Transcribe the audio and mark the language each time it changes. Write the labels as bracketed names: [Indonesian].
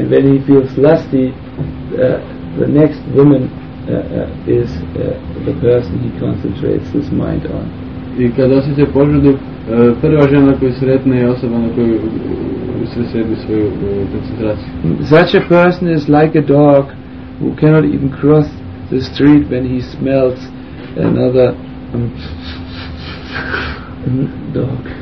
[English] And when he feels lusty, the next woman is the person he concentrates his mind on. [Serbian] I kad osjeća požudu, prva žena koju sretne je osoba na koju sve sebi svoju koncentraciju. [English] Such a person is like a dog who cannot even cross the street when he smells another dog.